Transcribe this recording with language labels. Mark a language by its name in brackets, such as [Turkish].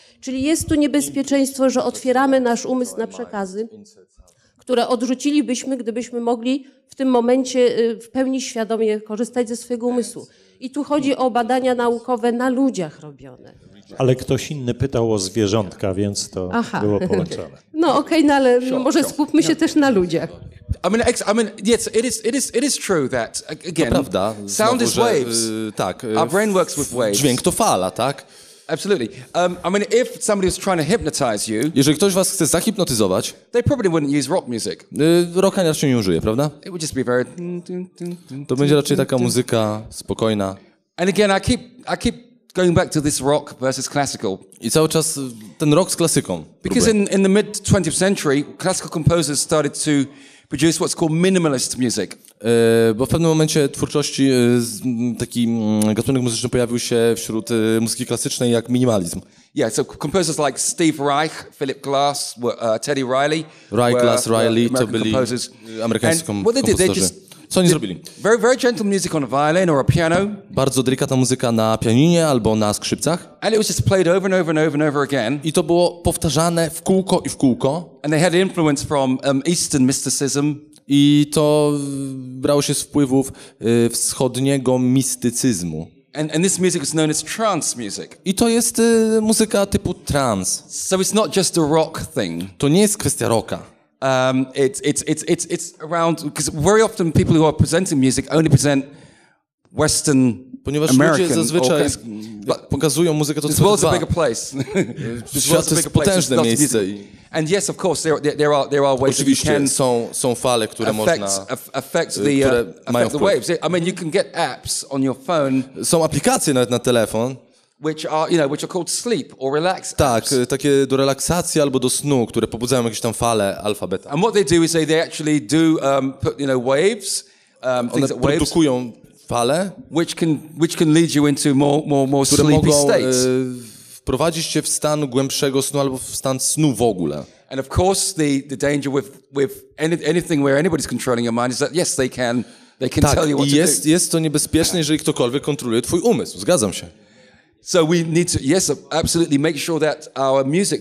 [Polish] Czyli jest tu niebezpieczeństwo, że otwieramy nasz umysł na przekazy, które odrzucilibyśmy, gdybyśmy mogli w tym momencie w pełni świadomie korzystać ze swojego umysłu. I tu chodzi o badania naukowe na ludziach robione. Ale ktoś inny pytał o zwierzątka, więc to było połączone. No okej, okay, no ale może skupmy się też na ludziach. [English] I mean, yes, it is true that again, [Polish] prawda, [English] sound [Polish] znowu, [English] is waves. [Polish] Tak. [English] Our brain works with waves. [Polish] Dźwięk to fala, tak? [English] Absolutely. I mean, if somebody is trying to hypnotize you, [Polish] jeżeli ktoś was chce zahipnotyzować, [English] they probably wouldn't use rock music. [Polish] Rocka raczej nie użyje, prawda? [English] It would just be very. [Polish] To będzie raczej taka muzyka spokojna. [English] And again, I keep going back to this rock versus classical. [Polish] I cały czas ten rock z klasyką. [English] Because in the mid 20th century, classical composers started to produce what's called minimalist music. [Polish] Bo w pewnym momencie twórczości taki gatunek muzyczny pojawił się wśród muzyki klasycznej jak minimalizm. [English] Yeah, so composers like Steve Reich, Philip Glass, Teddy Riley. [Polish] Reich, Glass, Riley, to byli amerykańscy kompozytorzy. Co oni zrobili? [English] Very, very gentle music on a violin or a piano. [Polish] Bardzo delikatna muzyka na pianinie albo na skrzypcach. [English] And it was just played over and over and over and over again. [Polish] I to było powtarzane w kółko i w kółko. [English] And they had influence from Eastern mysticism. [Polish] I to brało się z wpływów wschodniego mistycyzmu. [English] And this music is known as trance music. [Polish] I to jest muzyka typu trance. [English] So it's not just a rock thing. [Polish] To nie jest kwestia rocka. [English] It's around, because very often people who are presenting music only present Western [Polish] ponieważ [English] American [Polish] ludzie zazwyczaj pokazują muzykę to [English] co world's a bigger place. [Polish] Świat jest potężne miejsce. [English] And yes, of course, there are ways [Polish] oczywiście [English] that you can [Polish] są fale, które [English] affect the waves. I mean, you can get apps on your phone. [Polish] Są aplikacje nawet na telefon, [English] which are called sleep or relax. [Polish] Tak, [English] apps. [Polish] Takie do relaksacji albo do snu, które pobudzają jakieś tam fale alfa, beta. [English] And what they do is they actually do put, you know, waves, things that waves. [Polish] Produkują fale, [English] which can lead you into more sleepy [Polish] mogą, [English] states. [Polish] Wprowadzić cię w stan głębszego snu albo w stan snu w ogóle. [English] And of course the danger with anything where anybody's controlling your mind is that yes, they can They can tell you what to do. [Polish] Jest to niebezpieczne, jeżeli ktokolwiek kontroluje twój umysł. Zgadzam się. [English] So we need to yes absolutely make sure that our music.